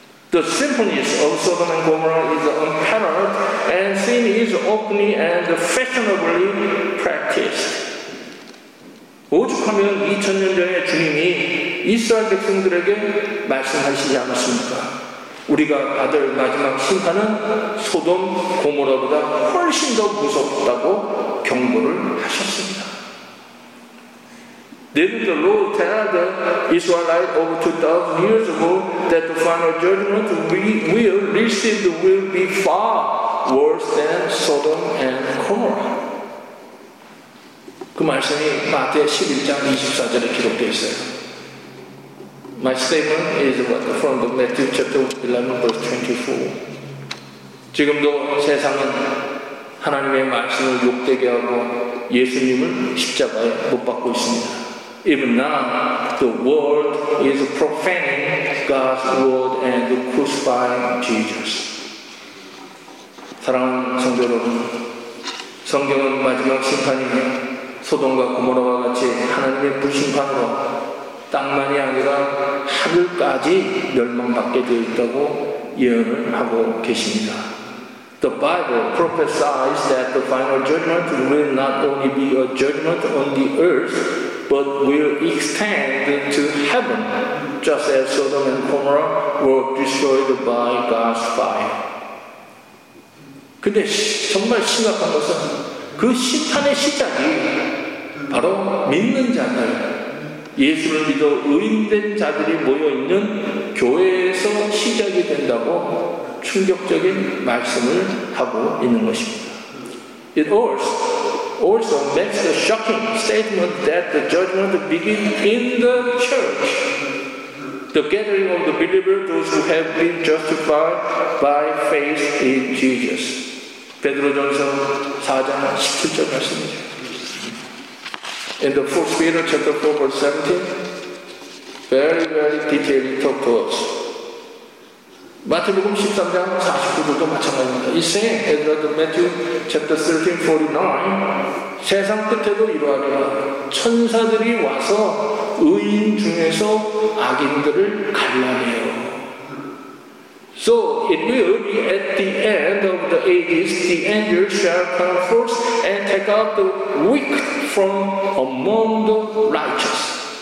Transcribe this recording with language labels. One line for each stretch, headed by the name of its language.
English: The symphonies of Sodom and Gomorrah is unparalleled and sin is openly and fashionably practiced.
Korean: 오죽하면 2000년 전에 주님이 이스라엘 백성들에게 말씀하시지 않았습니까? 우리가 받을 마지막 심판은 소돔 고모라보다 훨씬 더 무섭다고 경고를 하셨습니다.
English: Didn't the Lord tell the Israelites over 2,000 years ago that the final judgment we will receive will be far worse than Sodom and Gomorrah?
Korean: 그 말씀이 마태 11장 24절에 기록되어 있어요.
English: My statement is from the Matthew chapter 11 verse 24.
Korean: 지금도 세상은 하나님의 말씀을 욕되게 하고 예수님을 십자가에 못 박고 있습니다.
English: Even now, the world is profaning God's word and crucifying Jesus.
Korean: 사랑하는 성도 여러분, 성경은 마지막 심판이며 소돔과 고모라와 같이 하나님의 불심판으로 땅만이 아니라 하늘까지 멸망받게 되어 있다고 예언을 하고 계십니다.
English: The Bible prophesies that the final judgment will not only be a judgment on the earth, but will extend into heaven, just as Sodom and Gomorrah were destroyed by God's fire.
Korean: 근데 정말 심각한 것은 그 심판의 시작이 바로 믿는 자들, 예수를 믿어 의인된 자들이 모여있는 교회에서 시작이 된다고 충격적인 말씀을 하고 있는 것입니다.
English: It also makes a shocking statement that the judgment begins in the church. The gathering of the believers, those who have been justified by faith in Jesus.
Korean: 베드로전서 4장 17절 말씀이죠.
English: In the 1st Peter chapter 4 verse 17, very, very detailed talk to us.
Korean: 마태복음 13장 49절도 마찬가지입니다.
English: It's saying, as well as Matthew chapter 13, 49,
Korean: 세상 끝에도 이러하리라. 천사들이 와서 의인 중에서 악인들을 갈라내요.
English: So it will be at the end of the ages, the angel shall come first and take out the weak from among the righteous.